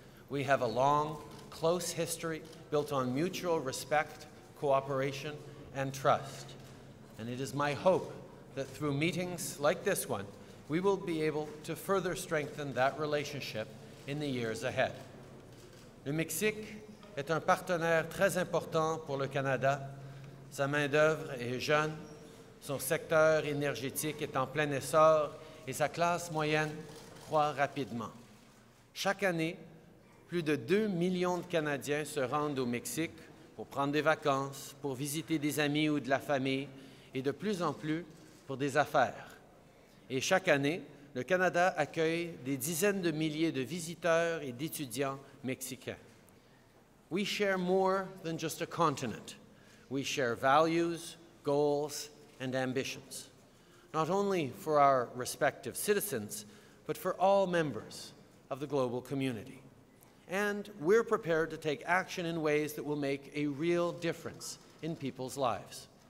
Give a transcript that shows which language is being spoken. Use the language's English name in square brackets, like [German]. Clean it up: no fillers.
[English] We have a long, close history built on mutual respect, cooperation, and trust. And it is my hope that through meetings like this one, we will be able to further strengthen that relationship in the years ahead. [French] Le Mexique est un partenaire très important pour le Canada. Sa main-d'œuvre est jeune, son secteur énergétique est en plein essor et sa classe moyenne croît rapidement. Chaque année, plus de 2 millions de Canadiens se rendent au Mexique pour prendre des vacances, pour visiter des amis ou de la famille et de plus en plus pour des affaires. Et chaque année, le Canada accueille des dizaines de milliers de visiteurs et d'étudiants mexicains. [English] We share more than just a continent. We share values, goals, and ambitions, not only for our respective citizens, but for all members of the global community. And we're prepared to take action in ways that will make a real difference in people's lives.